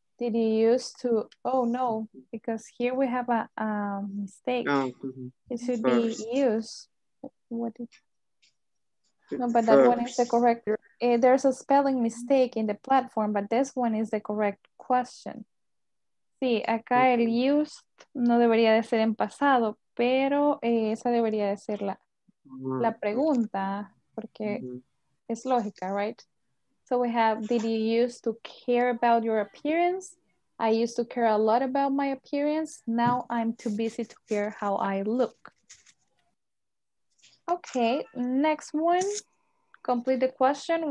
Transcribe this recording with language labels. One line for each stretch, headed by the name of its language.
English: Did you use to, oh no, because here we have a mistake. Oh, mm-hmm. It should first. Be use. What did you... No, but first. That one is the correct. There's a spelling mistake in the platform, but this one is the correct question.
Spanish: Sí, acá okay. El used no debería de ser en pasado, pero esa debería de ser la pregunta, porque mm-hmm. es lógica, right?
English: So we have, did you used to care about your appearance? I used to care a lot about my appearance. Now I'm too busy to care how I look. Okay, next one. Complete the question.